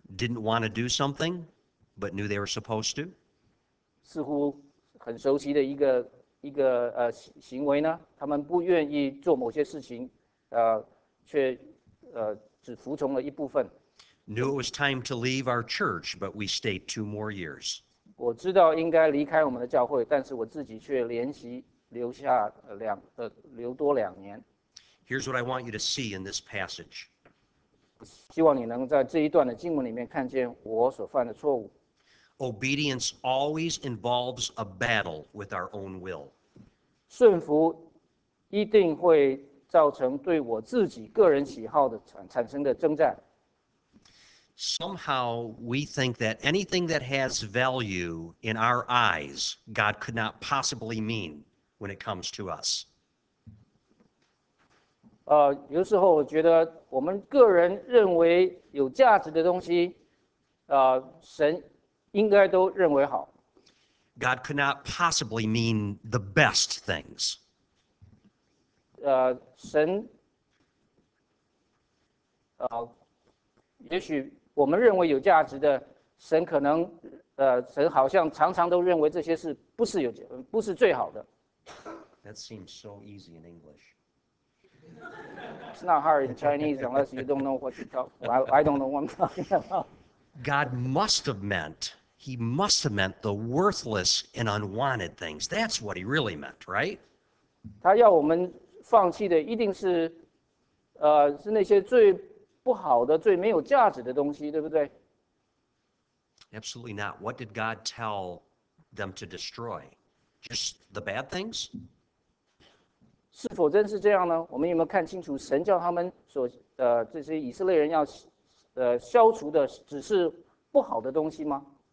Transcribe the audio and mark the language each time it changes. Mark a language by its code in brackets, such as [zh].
[en] Didn't want to do something, but knew they were supposed to. [zh] 似乎很熟悉的一个行为呢？他们不愿意做某些事情，却只服从了一部分。 [en] Knew it was time to leave our church, but we stayed two more years. [zh] 我知道应该离开我们的教会，但是我自己却联系留下留多两年。 [en] Here's what I want you to see in this passage. [zh] 希望你能在这一段的经文里面看见我所犯的错误。 [en] Obedience always involves a battle with our own will. [zh] 顺服一定会造成对我自己个人喜好的产生的征战。 [en] Somehow we think that anything that has value in our eyes, God could not possibly mean when it comes to us. [zh] 有时候我觉得我们个人认为有价值的东西，神应该都认为好。 [en] God could not possibly mean the best things. [zh] 神，也许我们认为有价值的，神可能，神好像常常都认为这些事不是最好的。 [en] That seems so easy in English. It's not hard in Chinese unless you don't know what you're talking about. I don't know what I'm talking about. God must have meant, he must have meant the worthless and unwanted things. That's what he really meant, right? [zh] 他要我们放弃的一定是，是那些最不好的、最没有价值的东西，对不对？ [en] Absolutely not. What did God tell them to destroy? Just the bad things? [zh] 是否真是这样呢？我们有没有看清楚，神叫他们所这些以色列人要消除的只是不好的东西吗